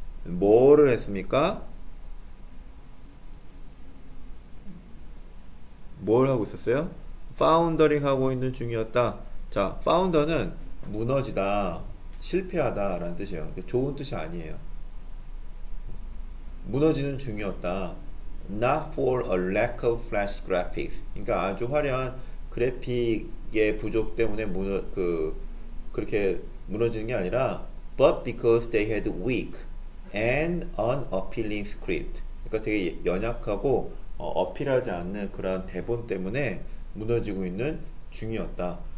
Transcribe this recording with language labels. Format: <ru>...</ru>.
<ko>뭐를 했습니까? 뭘 하고 있었어요? Foundering 하고 있는 중이었다. 자, founder는 무너지다, 실패하다라는 뜻이에요. 좋은 뜻이 아니에요. 무너지는 중이었다.</ko> <en>Not for a lack of flash graphics.</en> <ko>그러니까 아주 화려한 그래픽의 부족 때문에 그렇게 무너지는 게 아니라,</ko> <en>but because they had weak and unappealing script.</en> <ko>그러니까 되게 연약하고 어필하지 않는 그런 대본 때문에 무너지고 있는 중이었다.</ko>